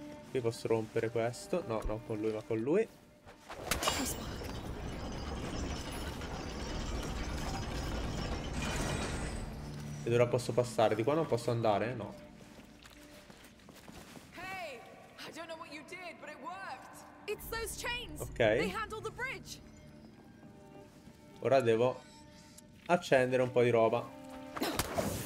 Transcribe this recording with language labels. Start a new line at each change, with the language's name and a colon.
Italian: Qui posso rompere questo. No, non con lui, ma con lui. Ed ora posso passare. Di qua non posso andare? No.
English: Hey, I don't know what you did, but it worked. It's those chains. Ok. They handle the bridge.
Italian: Ora devo accendere un po' di roba.